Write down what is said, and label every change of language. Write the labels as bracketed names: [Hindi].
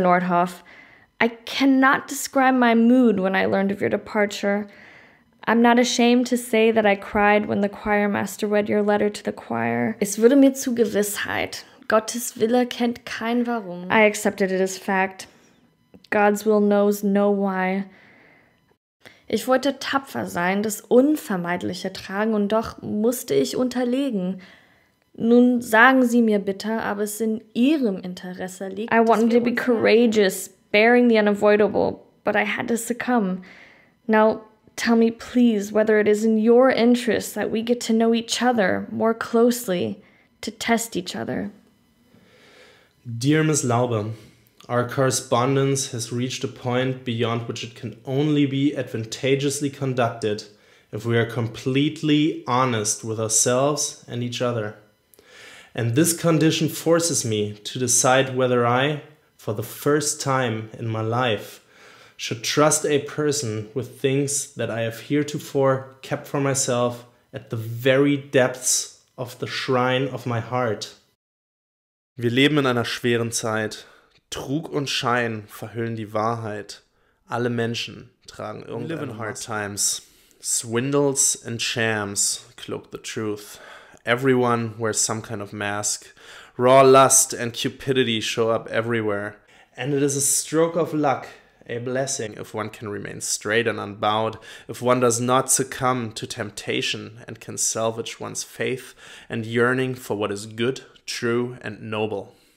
[English] Nordhoff, I cannot describe my mood when I learned of your departure. I'm not ashamed to say that I cried when the choir master read your letter to the choir. [German] Es wurde mir zu Gewissheit. Gottes Wille kennt kein Warum. [English] I accepted it as fact. God's will knows no why. [German] Ich wollte tapfer sein, das Unvermeidliche tragen, und doch musste ich unterlegen. Nun sagen Sie mir bitte, aber es in Ihrem Interesse liegt. [English] I wanted to be courageous, bearing the unavoidable, but I had to succumb. Now tell me, please, whether it is in your interest that we get to know each other more closely, to test each other. Dear Miss Laube, our correspondence has reached a point beyond which it can only be advantageously conducted if we are completely honest with ourselves and each other. And this condition forces me to decide whether I, for the first time in my life, should trust a person with things that I have heretofore kept for myself at the very depths of the shrine of my heart. [German] Wir leben in einer schweren Zeit. Trug und Schein verhüllen die Wahrheit. Alle Menschen tragen irgendeine Maske. [English] Hard times. Swindles and shams cloak the truth. Everyone wears some kind of mask. Raw lust and cupidity show up everywhere. And it is a stroke of luck, a blessing, if one can remain straight and unbowed, if one does not succumb to temptation and can salvage one's faith and yearning for what is good, true and noble.